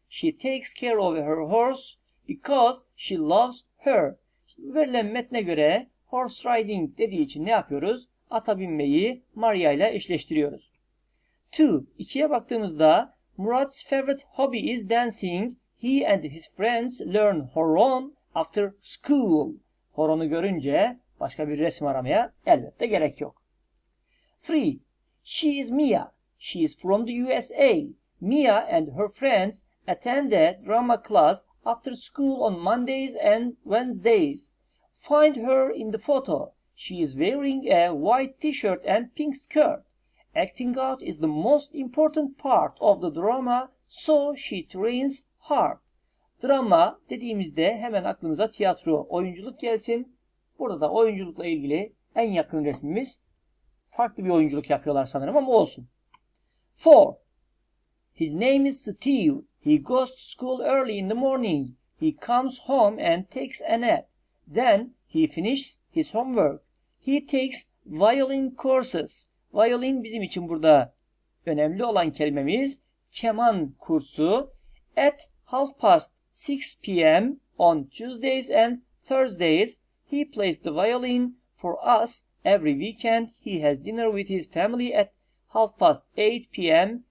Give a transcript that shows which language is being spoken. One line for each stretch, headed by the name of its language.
English: She takes care of her horse because she loves her.
Turkish: Şimdi verilen metne göre
English: horse riding
Turkish: dediği için ne yapıyoruz? Ata binmeyi Maria ile eşleştiriyoruz. 2'ye baktığımızda
English: Murat's favorite hobby is dancing. He and his friends learn horon after school.
Turkish: Horonu görünce başka bir resim aramaya elbette gerek yok.
English: 3. She is Mia. She is from the USA. Mia and her friends attend a drama class after school on Mondays and Wednesdays. Find her in the photo. She is wearing a white t-shirt and pink skirt. Acting out is the most important part of the drama, so she trains hard.
Turkish: Drama dediğimizde hemen aklımıza tiyatro, oyunculuk gelsin. Burada da oyunculukla ilgili en yakın resmimiz. Farklı bir oyunculuk yapıyorlar sanırım ama olsun. 4.
English: His name is Steve. He goes to school early in the morning. He comes home and takes a nap. Then he finishes his homework. He takes violin courses.
Turkish: Violin bizim için burada önemli olan kelimemiz keman kursu.
English: At 6:30 p.m. on Tuesdays and Thursdays, he plays the violin for us every weekend. He has dinner with his family at 8:30 p.m.